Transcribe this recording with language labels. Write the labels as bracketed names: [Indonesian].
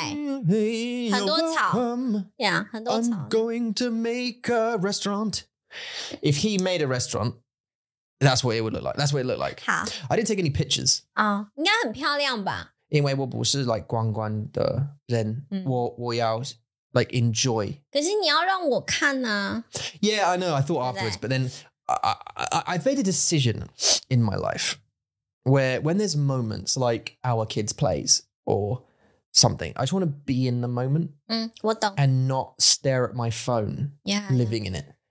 [Chinese] 我知道。就它有海,很多草。 [English] Yeah, [Chinese] 很多草。 [English] I'm going to make a restaurant. If he made a restaurant, that's what it would look like. That's what it looked like. I didn't take any pictures. [Chinese] 应该很漂亮吧? 因为我不是观光的人, 我要... [English] like enjoy. [Chinese] 可是你要让我看啊。 [English] Yeah, I know. I thought afterwards, but then... I've made a decision in my life where when there's moments like our kids' plays or something, I just want to be in the moment and not stare at my phone living in it.